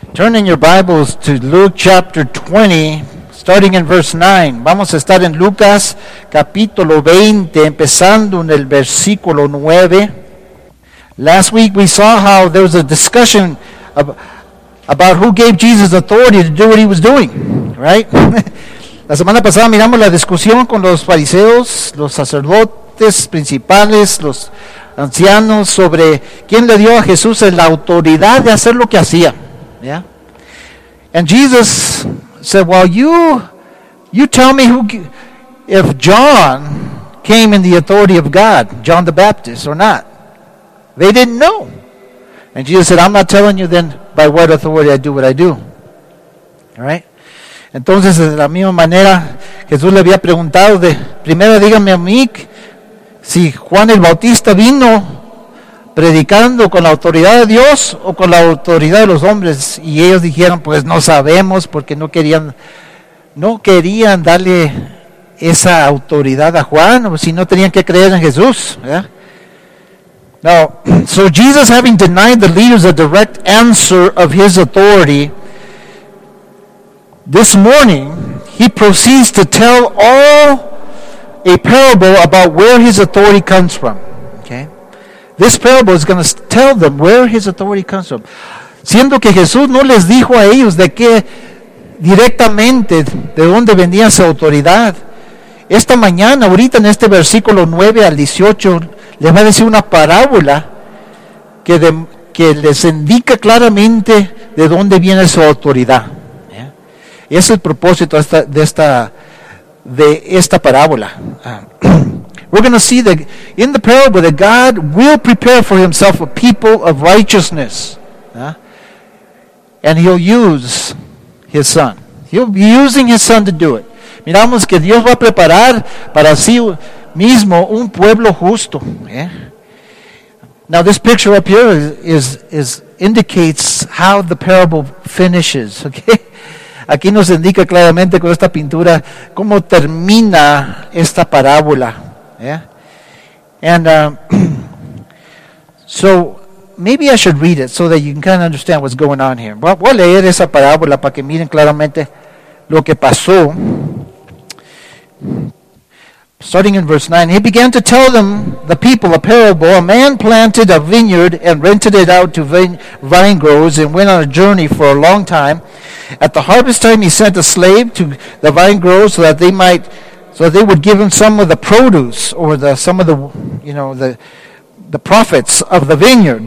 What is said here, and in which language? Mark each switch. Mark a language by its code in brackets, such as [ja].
[en] Turn in your Bibles to Luke chapter 20, starting in verse 9. [es] Vamos a estar en Lucas capítulo 20, empezando en el versículo 9. [en] Last week we saw how there was a discussion about who gave Jesus authority to do what he was doing, right? [es] La semana pasada miramos la discusión con los fariseos, los sacerdotes principales, los ancianos, sobre quién le dio a Jesús la autoridad de hacer lo que hacía. [en] Yeah. And Jesus said, well, you tell me who, if John came in the authority of God, John the Baptist, or not. They didn't know. And Jesus said, I'm not telling you then by what authority I do what I do. All right? [es] Entonces, de la misma manera, Jesús le había preguntado, de primero dígame a mí, si Juan el Bautista vino predicando con la autoridad de Dios o con la autoridad de los hombres. Y ellos dijeron, pues no sabemos, porque no querían darle esa autoridad a Juan, o si no tenían que creer en Jesús. [en] Yeah? Now, so Jesus, having denied the leaders a direct answer of his authority, this morning he proceeds to tell all a parable about where his authority comes from. Okay? This parable is going to tell them where his authority comes from. [es] Siendo que Jesús no les dijo a ellos de qué directamente, de dónde venía su autoridad. Esta mañana, ahorita en este versículo 9 al 18, les va a decir una parábola que les indica claramente de dónde viene su autoridad. Y es el propósito de esta parábola. [en] We're going to see that in the parable that God will prepare for himself a people of righteousness. And he'll use his son. He'll be using his son to do it. [es] Miramos que Dios va a preparar para sí mismo un pueblo justo. [en] Now this picture up here is indicates how the parable finishes. Okay? [es] Aquí nos indica claramente con esta pintura cómo termina esta parábola. [en] Yeah. And so maybe I should read it so that you can kind of understand what's going on here. [es] Voy a leer esa parábola para que miren claramente lo que pasó. [en] Starting in verse 9, he began to tell them, the people, a parable. A man planted a vineyard and rented it out to vine growers and went on a journey for a long time. At the harvest time, he sent a slave to the vine growers so that they would give him some of the produce or the profits of the vineyard.